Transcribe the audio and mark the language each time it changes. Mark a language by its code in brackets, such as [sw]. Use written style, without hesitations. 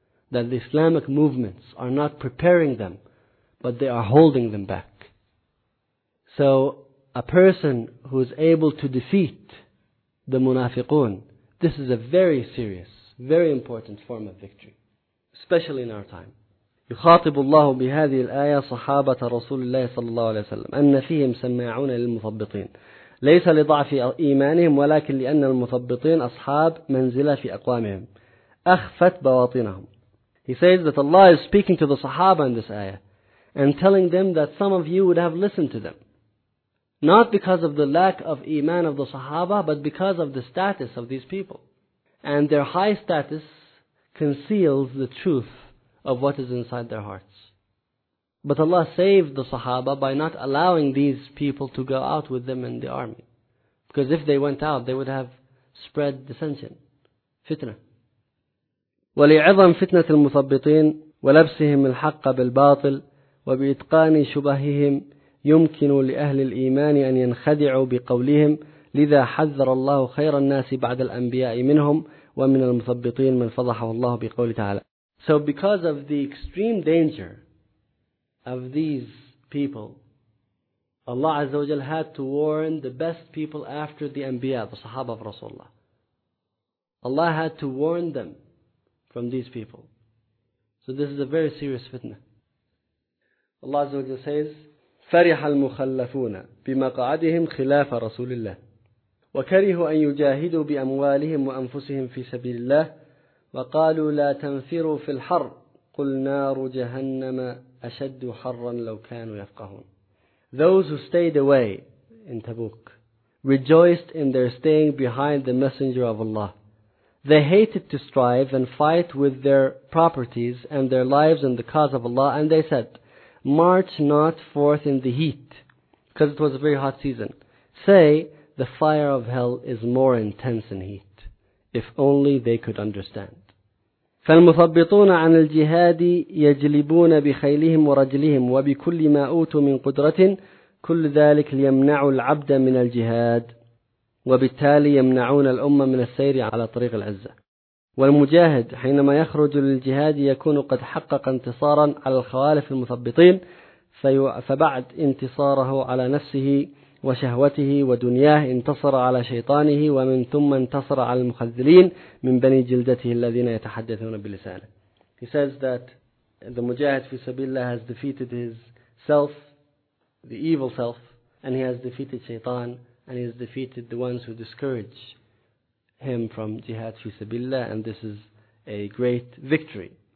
[en] That the Islamic movements are not preparing them, but they are holding them back. So, a person who is able to defeat the munafiqun, this is a very serious, very important form of victory, especially in our time. [ar] يخاطب الله بهذه الآية صحابة رسول الله صلى الله عليه وسلم أن فيهم سماعون للمثبطين ليس لضعف إيمانهم ولكن لأن المثبطين أصحاب منزلة في أقوامهم أخفت بواطنهم. [en] He says that Allah is speaking to the Sahaba in this ayah and telling them that some of you would have listened to them. Not because of the lack of iman of the Sahaba, but because of the status of these people. And their high status conceals the truth of what is inside their hearts. But Allah saved the Sahaba by not allowing these people to go out with them in the army. Because if they went out, they would have spread dissension, fitna. [ar] وَلِعِظَمْ فِتْنَةِ الْمُثَبِّطِينَ وَلَبْسِهِمْ الْحَقَّ بِالْبَاطِلِ وَبِإِتْقَانِ شُبَهِهِمْ يمكن لأهل الإيمان أن ينخدعوا بقولهم لذا حذر الله خير الناس بعد الأنبياء منهم ومن المثبطين من فضحه الله بقوله تعالى. [en] So because of the extreme danger of these people, Allah Azza wa Jalla had to warn the best people after the Anbiya, the Sahaba of Rasulullah. Allah had to warn them from these people. So this is a very serious fitna. Allah Azza wa Jalla says, [ar] فرح المخلفون بمقعدهم خلاف رسول الله وكرهوا أن يجاهدوا بأموالهم وأنفسهم في سبيل الله وقالوا لا تنفروا في الحر قل نار جهنم أشد حرا لو كانوا يفقهون. [en] Those who stayed away in Tabuk rejoiced in their staying behind the Messenger of Allah. They hated to strive and fight with their properties and their lives in the cause of Allah, and they said, march not forth in the heat, because it was a very hot season. Say, the fire of hell is more intense in heat. If only they could understand. [ar] فَالْمُثَبِّطُونَ عَنِ الْجِهَادِ يَجْلِبُونَ بِخَيْلِهِمْ وَرَجْلِهِمْ وَبِكُلِّ مَا أُوتُوا مِنْ قُدْرَةٍ كُلِّ ذَلِكَ لِيَمْنَعُوا الْعَبْدَ مِنَ الْجِهَادِ وَبِالتَّالِي يَمْنَعُونَ الْأُمَّةَ مِنَ السَّيْرِ عَلَى طَرِيقِ الْعِزَّةِ. والمجاهد حينما يخرج للجهاد يكون قد حقق انتصارا على الخوالف المثبطين فبعد انتصاره على نفسه وشهوته ودنياه انتصر على شيطانه ومن ثم انتصر على المخذلين من بني جلدته الذين يتحدثون بلسانه. [en] He says that the mujahid fi sabilillah has defeated his self, the evil self, and he has defeated shaitan, and he has defeated the ones who discourage him from jihad fi sabilillah, and this is a great victory.